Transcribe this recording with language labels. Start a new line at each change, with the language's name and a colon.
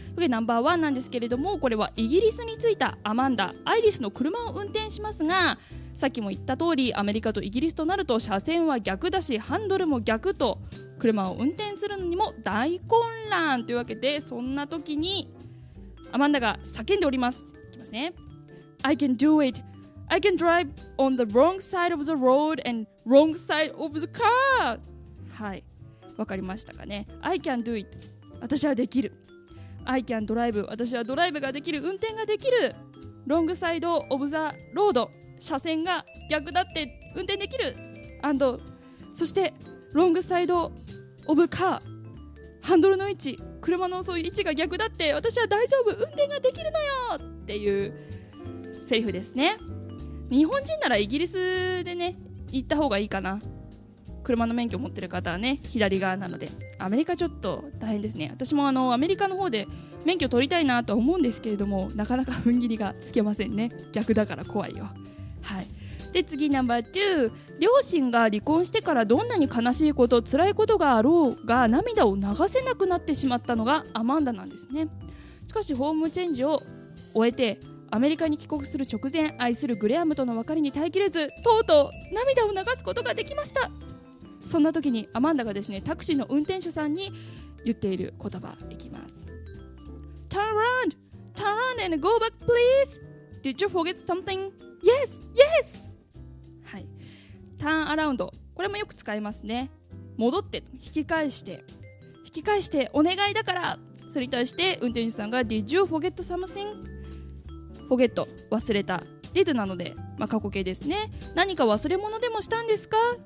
Japanese: フレーズナンバーワンなんですけれども、これはイギリスに着いたアマンダ、アイリスの車を運転しますが、さっきも言った通りアメリカとイギリスとなると車線は逆だしハンドルも逆と、車を運転するのにも大混乱というわけで、そんな時にアマンダが叫んでおります。いきますね。
English: I can do it. I can drive on the wrong side of the road and wrong side of the car.
Japanese: はい、わかりましたかね。
English: I can do it.
Japanese: 私はできる。
English: I can drive.
Japanese: 私はドライブができる、運転ができる。
English: wrong side of the road.
Japanese: 車線が逆だって運転できる。
English: And
Japanese: そして
English: wrong side of car.
Japanese: ハンドルの位置、車のそういう位置が逆だって私は大丈夫、運転ができるのよっていうセリフですね。日本人ならイギリスでね行った方がいいかな。車の免許持ってる方はね左側なので、アメリカちょっと大変ですね。私もアメリカの方で免許取りたいなと思うんですけれども、なかなか踏ん切りがつけませんね。逆だから怖いよ。はい、で次ナンバー2、両親が離婚してからどんなに悲しいこと辛いことがあろうが涙を流せなくなってしまったのがアマンダなんですね。しかしホームチェンジを終えてアメリカに帰国する直前、愛するグレアムとの別れに耐えきれず、とうとう涙を流すことができました。そんな時にアマンダがですね、タクシーの運転手さんに言っている言葉いきます。
English: Turn around and go back please. Did you forget something? Yes.
Japanese: ターンアラウンド、これもよく使いますね。戻って、引き返してお願いだから。それに対して運転手さんが
English: Did you forget something?
Japanese: Forget、 忘れた。 Did なので、まあ、過去形ですね。何か忘れ物でもしたんですか。